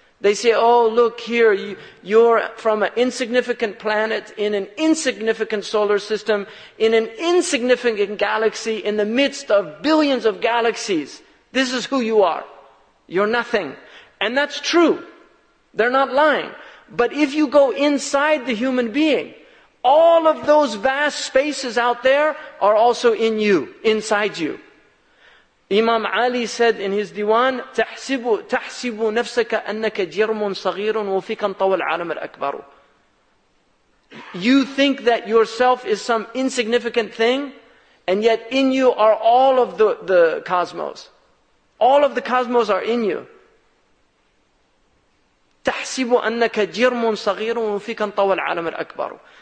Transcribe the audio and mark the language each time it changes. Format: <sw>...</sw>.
<en>They say, oh, look here, you're from an insignificant planet in an insignificant solar system, in an insignificant galaxy, in the midst of billions of galaxies. This is who you are. You're nothing. And that's true. They're not lying. But if you go inside the human being, all of those vast spaces out there are also in you, inside you. Imam Ali said in his Diwan,</en> <ar>تَحْسِبُ نَفْسَكَ أَنَّكَ جِرْمٌ صَغِيرٌ وَفِيكَ انْطَوَى الْعَالَمِ الْأَكْبَرُ.</ar> <en>You think that yourself is some insignificant thing, and yet in you are all of the cosmos. All of the cosmos are in you.</en> <ar>تَحْسِبُ أَنَّكَ جِرْمٌ صَغِيرٌ وَفِيكَ انْطَوَى الْعَالَمِ الْأَكْبَرُ.</ar>